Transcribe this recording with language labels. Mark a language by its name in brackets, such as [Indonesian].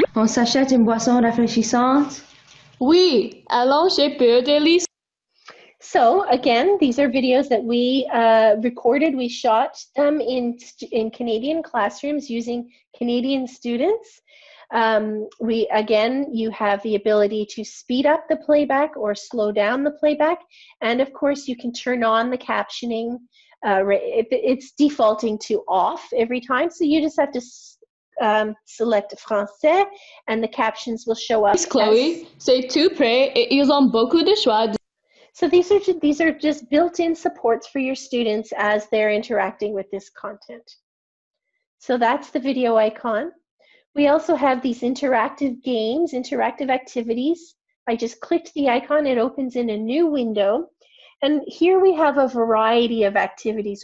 [French] On s'achète une boisson rafraîchissante? Oui, allons chez Pure Delice. [English] So, again, these are videos that we recorded. We shot them in Canadian classrooms using Canadian students. You have the ability to speed up the playback or slow down the playback. And, of course, you can turn on the captioning. It's defaulting to off every time, so you just have to select français and the captions will show up. [French] It's Chloe, c'est tout prêt et ils ont beaucoup de choix. [English] So these are just built-in supports for your students as they're interacting with this content. So that's the video icon. We also have these interactive games, interactive activities. I just clicked the icon, it opens in a new window. And here we have a variety of activities.